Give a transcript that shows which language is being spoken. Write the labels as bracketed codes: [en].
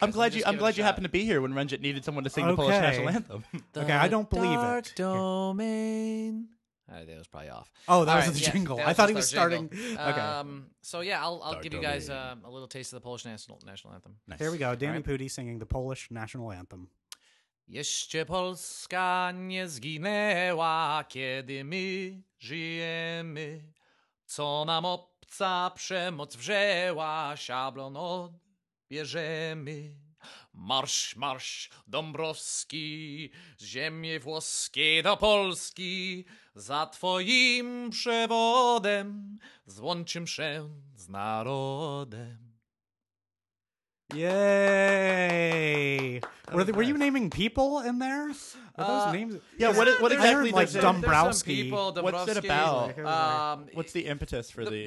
[en] I'm glad you happened to be here when Renjit needed someone to sing the Polish national anthem. Okay, I don't believe it. Dark domain. I think it was probably off. Oh, that was the jingle. I thought he was starting. Okay. So yeah, I'll give you guys a little taste of the Polish national anthem. Nice. There we go. Danny Pudi singing the Polish national anthem. [pl] Jeszcze Polska nie zginęła, kiedy my żyjemy. Co nam obca przemoc wrzeła, szablon odbierzemy. Marsz, marsz, Dąbrowski, z ziemi włoskiej do Polski, za twoim przewodem złączym się z narodem. [en] Yay! Were you naming people in there? Are those names? Yeah. What exactly does like Dombrowski? What's it about? What's the impetus for the?